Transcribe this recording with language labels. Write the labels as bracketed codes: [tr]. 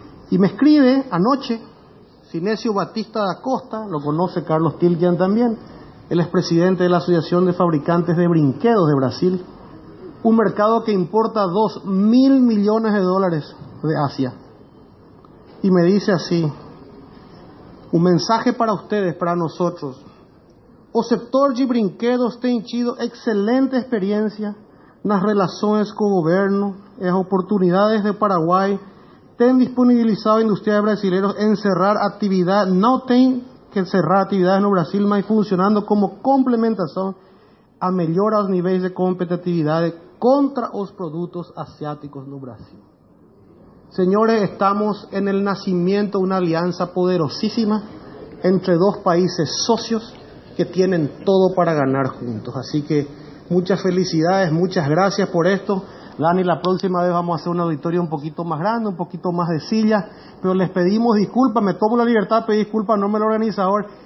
[es] Y me escribe anoche, Sinesio Batista da Costa, lo conoce Carlos Tilkian también, él es presidente de la Asociación de Fabricantes de Brinquedos de Brasil, un mercado que importa 2.000 millones de dólares de Asia. Y me dice así, un mensaje para ustedes, para nosotros. [pt] O setor de brinquedos tem tido excelente experiência nas relações com o governo, as oportunidades de Paraguai, têm disponibilizado a indústria brasileira em cerrar atividade, não tem que cerrar atividades no Brasil, mas funcionando como complementação a melhorar os níveis de competitividade contra os produtos asiáticos no Brasil. [es] Señores, estamos en el nacimiento de una alianza poderosísima entre dos países socios que tienen todo para ganar juntos. Así que muchas felicidades, muchas gracias por esto. Dani, la próxima vez vamos a hacer un auditorio un poquito más grande, un poquito más de silla, pero les pedimos disculpas, me tomo la libertad de pedir disculpas, no me lo organizador.